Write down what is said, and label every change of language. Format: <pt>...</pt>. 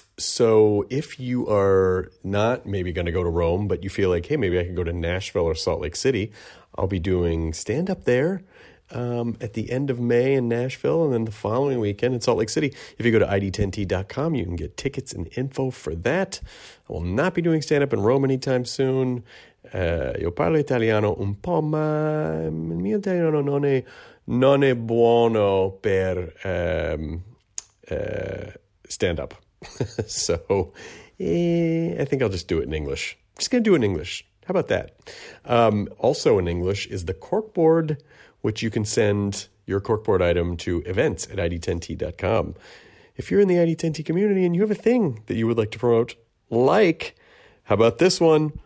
<en>So if you are not maybe going to go to Rome, but you feel like, hey, maybe I can go to Nashville or Salt Lake City, I'll be doing stand-up there at the end of May in Nashville and then the following weekend in Salt Lake City. If you go to id10t.com, you can get tickets and info for that. I will not be doing stand-up in Rome anytime soon.</en> <it>Io parlo italiano un po', ma il mio italiano non è buono per stand-up.</it> <en>I think I'll just do it in English. I'm just going to do it in English. How about that? Also in English is the corkboard, which you can send your corkboard item to events@id10t.com. If you're in the ID10T community and you have a thing that you would like to promote, like, how about this one?</en>